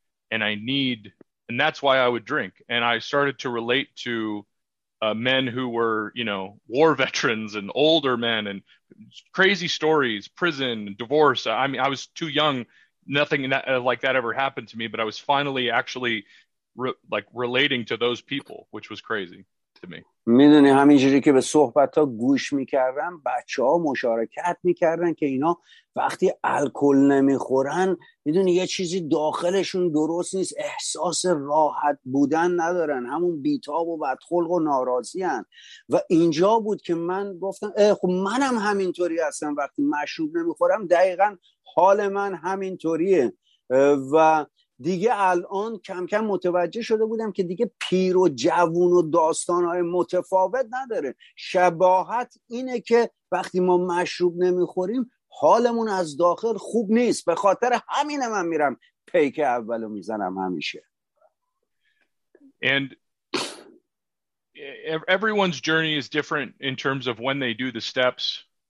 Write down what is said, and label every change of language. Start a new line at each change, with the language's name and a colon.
English: And that's why I would drink. And I started to relate to men who were, you know, war veterans and older men and crazy stories, prison, divorce. I mean, I was too young, nothing like that ever happened to me, but I was finally actually relating to those people, which was crazy to me.
Persian: میدونی همینجوری که به صحبت‌ها گوش می‌کردم، بچه‌ها مشارکت می‌کردن که اینا وقتی الکل نمی‌خورن، میدونی یه چیزی داخلشون درست نیست، احساس راحت بودن ندارن، همون بی‌تاب و بدخلق و ناراضی‌ان. و اینجا بود که من گفتم خب منم همینطوری هستم، وقتی مشروب نمی‌خورم دقیقاً حال من همینطوریه. و دیگه الان کم کم متوجه شده بودم که دیگه پیر و جوون و داستانهای متفاوت نداره، شباهت اینه که وقتی ما مشروب نمیخوریم حالمون از داخل خوب نیست. به خاطر همینه من میرم پیک اولو میزنم همیشه.
English: And everyone's journey is different in terms of when they do the steps.